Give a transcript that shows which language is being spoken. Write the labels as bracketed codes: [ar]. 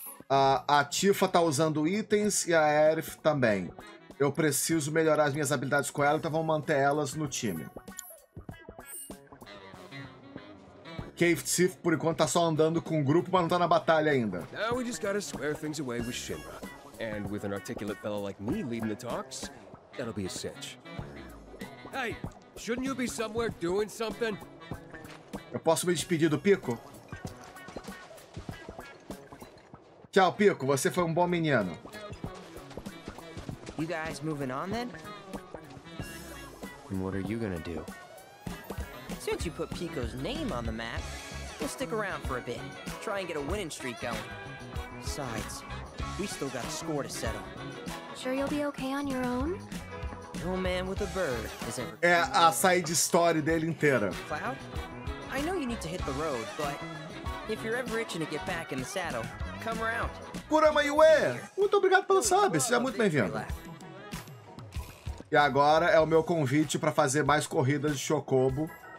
[pt] A Tifa tá usando itens e a Aerith também. Eu preciso melhorar as minhas habilidades com ela, então vamos manter elas no time. Cave Tsif, por enquanto, tá só andando com o grupo, mas não tá na batalha ainda. Agora [en] we just gotta square things away with Shinra. And with an articulate fellow like me leading the talks, that'll be a cinch. Hey, shouldn't you be somewhere doing something? [pt] Eu posso me despedir do Pico? Tchau, Pico. Você foi um bom menino. [en] You guys moving on then? And what are you gonna do? Since you put Pico's name on the map, we'll stick around for a bit. Try and get a winning streak going. Besides, we still got a score to settle. Sure you'll be okay on your own? No man with a bird is ever. [pt] É a side story dele inteira. [en] Cloud? I know you need to hit the road, but if you're ever itching to get back in the saddle, come around. Kurama Yue! [pt] Muito obrigado pelo sub, seja muito bem-vindo. E agora é o meu convite para fazer mais corridas de Chocobo.